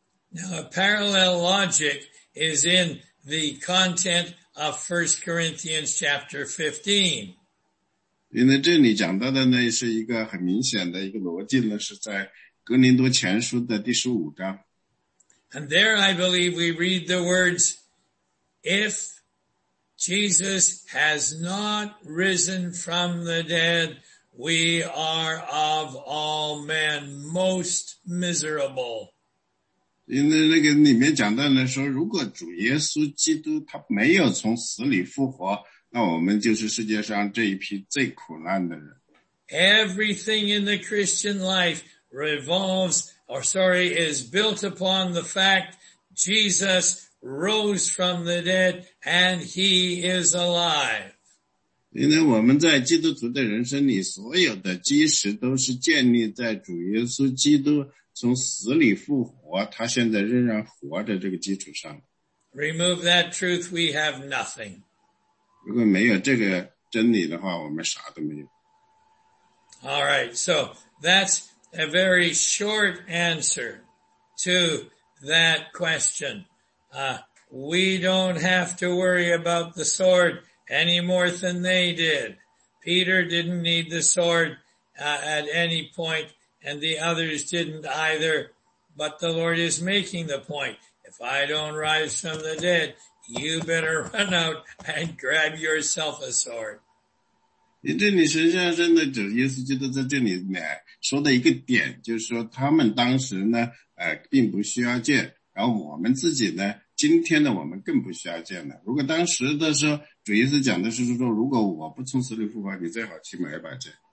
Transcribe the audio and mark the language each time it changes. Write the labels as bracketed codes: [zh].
[en] Now, a parallel logic is in the content of 1 Corinthians chapter 15. [zh] 因为这里讲到的呢是一个很明显的一个逻辑呢，是在哥林多前书的第十五章。 [en] And there I believe we read the words, if Jesus has not risen from the dead, we are of all men most miserable. [zh] 因为那个里面讲到呢，说如果主耶稣基督他没有从死里复活，那我们就是世界上这一批最苦难的人。 [en] Everything in the Christian life revolves, or sorry, is built upon the fact Jesus rose from the dead and he is alive. [zh] 因为我们在基督徒的人生里，所有的基石都是建立在主耶稣基督从死里复活，他现在仍然活着这个基础上。 [en] Remove that truth, we have nothing. [zh] 如果没有这个真理的话，我们啥都没有。 [en] All right, so that's a very short answer to that question. We don't have to worry about the sword any more than they did. Peter didn't need the sword at any point. And the others didn't either, but the Lord is making the point. If I don't rise from the dead, you better run out and grab yourself a sword. [zh] 这里实际上真的，耶稣基督在这里说的一个点，就是说他们当时呢，并不需要剑，然后我们自己呢，今天的我们更不需要剑了。如果当时的时候，主耶稣讲的是说，如果我不从死里复活，你最好去买一把剑。